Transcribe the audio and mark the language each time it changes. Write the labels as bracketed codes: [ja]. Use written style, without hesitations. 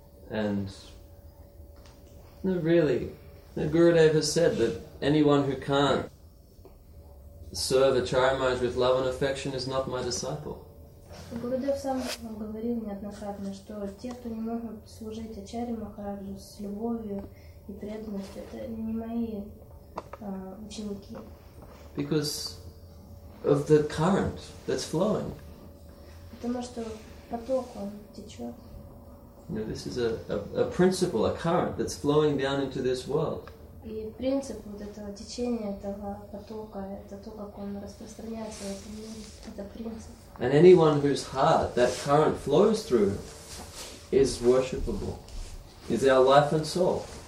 [en] And no, really. The Gurudev has said that anyone who can't serve Acharya Maharaj with love and affection is not my disciple. [ru] Gurudev сам говорил неоднократно, что те, кто не могут служить Ачарье Махараджу с любовью и преданностью, это не мои ученики. [en] Because of the current that's flowing. [ru] Потому что поток он течет. [en] You know, this is a principle, a current that's flowing down into this world. [ru] И принцип вот этого течения, этого потока, это то, как он распространяется в этом мире, это принцип. [en] And anyone whose heart that current flows through is worshipable, is our life and soul.